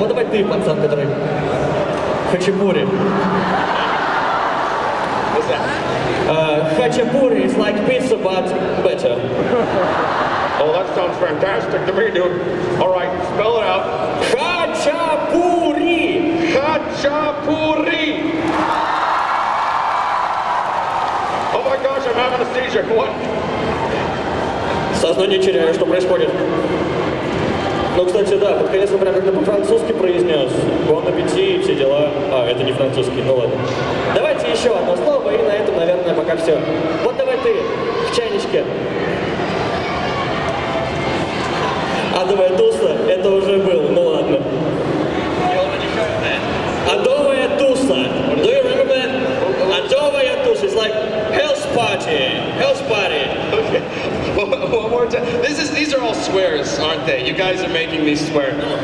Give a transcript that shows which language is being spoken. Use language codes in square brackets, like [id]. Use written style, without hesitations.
[ru] Ты, пацан, который хачапури. [en] What's that? Хачапури is like pizza, but better. Oh, that sounds fantastic to me, dude. All right, spell it out. [ru] Хачапури! Хачапури! [en] Oh my gosh, I'm having a seizure. What? [ru] Сознание теряю, что происходит. Ну, кстати, да, под конец, например, как-то по-французски произнес. Bon appétit, все дела. А, это не французский, ну ладно. Давайте еще одно слово, и на этом, наверное, пока все. Вот давай ты, в чайничке. Адовая туса, это уже было, ну ладно. Адовая туса. [en] Do you remember that? [ru] Адовая туса, [en] it's like health party. Health party. Okay. One more time. These are all swears, aren't they? You guys are making me swear.